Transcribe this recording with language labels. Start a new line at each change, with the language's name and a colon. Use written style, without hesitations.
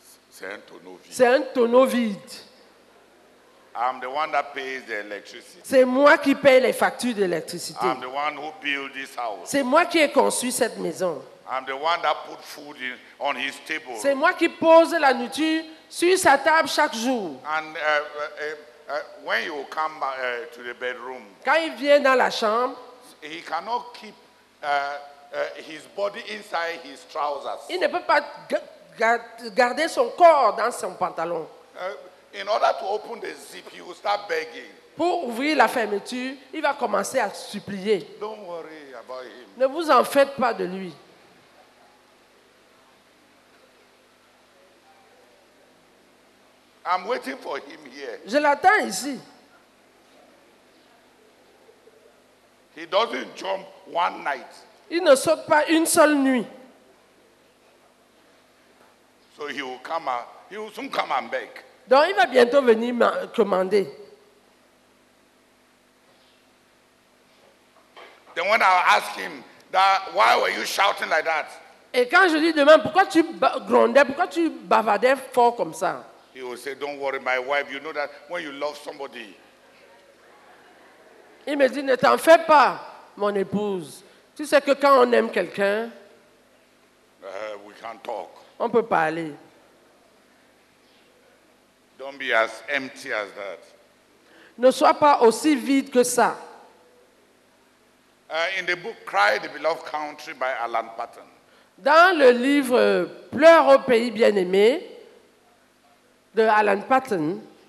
French: C'est un tonneau vide.
English: I'm the one that pays the electricity.
French: C'est moi qui paye les factures d'électricité.
English: I'm the one who build this house.
French: C'est moi qui ai construit cette maison.
English: I'm the one that put food in, on his table.
French: C'est moi qui pose la nourriture sur sa table chaque jour.
English: And when you come back, to the bedroom,
French: quand il vient dans la chambre,
English: he cannot keep his body inside his trousers.
French: Il ne peut pas garder son corps dans son pantalon.
English: In order to open the zip, he will start begging.
French: Pour ouvrir la fermeture, il va commencer à supplier.
English: Don't worry about him.
French: Ne vous en faites pas de lui.
English: I'm waiting for him here.
French: Je l'attends ici.
English: He doesn't jump one night.
French: Il ne saute pas une seule nuit.
English: So he will come and he will soon come and beg.
French: Donc il va bientôt venir me commander.
English: Then when I ask him that, why were you shouting like that?
French: Et quand je lui demande pourquoi tu grondais, pourquoi tu bavardais fort comme ça?
English: He will say, don't worry, my wife, you know that when you love somebody.
French: Il me dit, ne t'en fais pas, mon épouse. Tu sais que quand on aime quelqu'un,
English: we can talk.
French: On peut parler.
English: Don't be as empty as that.
French: Ne sois pas aussi vide que ça.
English: In the book Cry the Beloved Country by Alan Paton.
French: Dans le livre Pleure au pays bien-aimé de Alan Paton,